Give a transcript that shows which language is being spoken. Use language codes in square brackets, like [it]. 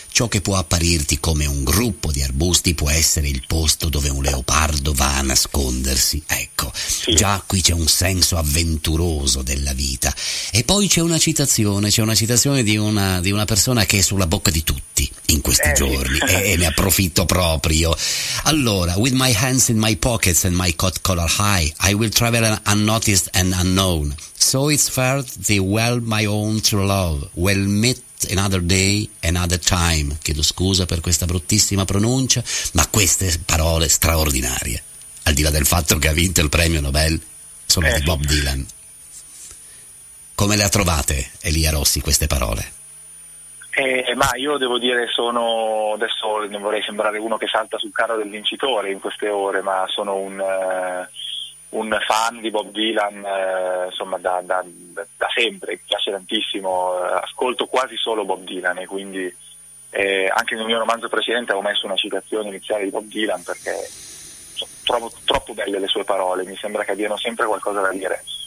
[it] Ciò che può apparirti come un gruppo di arbusti può essere il posto dove un leopardo va a nascondersi. Ecco, già qui c'è un senso avventuroso della vita. E poi c'è una citazione di una persona che è sulla bocca di tutti in questi giorni. E ne approfitto proprio. [en] Allora, with my hands in my pockets and my coat collar high, I will travel unnoticed and unknown. So it's fair the well my own true love will meet another day, another time. [it] Chiedo scusa per questa bruttissima pronuncia, ma queste parole straordinarie, al di là del fatto che ha vinto il premio Nobel, sono di Bob Dylan. Come le ha trovate, Elia Rossi, queste parole? Ma io devo dire, sono, adesso non vorrei sembrare uno che salta sul carro del vincitore in queste ore, ma sono un fan di Bob Dylan, insomma, da sempre, mi piace tantissimo, ascolto quasi solo Bob Dylan, e quindi anche nel mio romanzo precedente avevo messo una citazione iniziale di Bob Dylan, perché trovo troppo belle le sue parole, mi sembra che abbiano sempre qualcosa da dire.